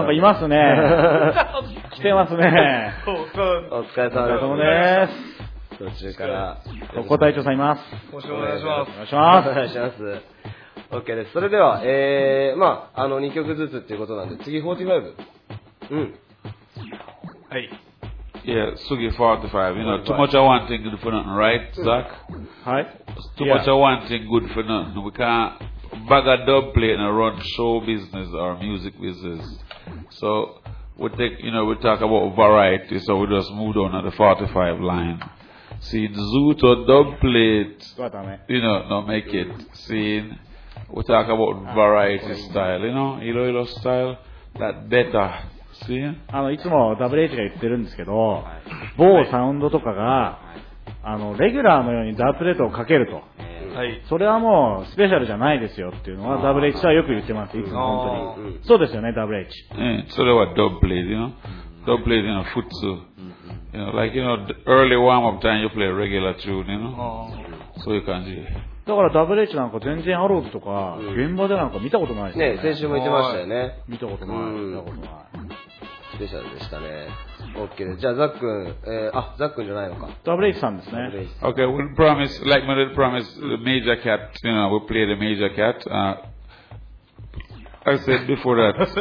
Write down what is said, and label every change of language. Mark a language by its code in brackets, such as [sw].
[ja] なんかいますね。来てますね。お疲れ様です。途中から。お答え長さんいます。よろしくお願いします。お願いします。お願いします。OK です。それでは、まあ、2曲ずつっていうことなんで、次45。うん。はい。 [en] Yeah, Sugi 45. You know, too much of one thing good for nothing, right, Zach? Hi. Too much of one thing good for nothing. We can't bag a dub plate and run show business or music business. So we take, you know, we talk about variety. So we just move on to the 45 line. Seeing Zoot or dub plate, you know, not make it. Seeing we talk about variety style, you know, Iloilo style, that better. [ja] いつも WH が言ってるんですけど、某サウンドとかがレギュラーのようにダープレートをかけると、はい、それはもうスペシャルじゃないですよっていうのは WH はよく言ってます。いつも本当にそうですよね WH、それはドープレート、ね、ドープレートの普通、 [en] you know, like you know early warm up time you play regular tune, you know, [ja] そういう感じ。だから WH なんか全然アローズとか現場でなんか見たことないですね。ね、先週も言ってましたよね。見たことない。スペシャルでしたね。 [en] Okay. [ja] じゃあザックン、あ、ザックンじゃないのか。ダブレイさんですね。 [en] Okay, we promise, like my little promise, the major cat, you know, we play the major cat.、I said before that.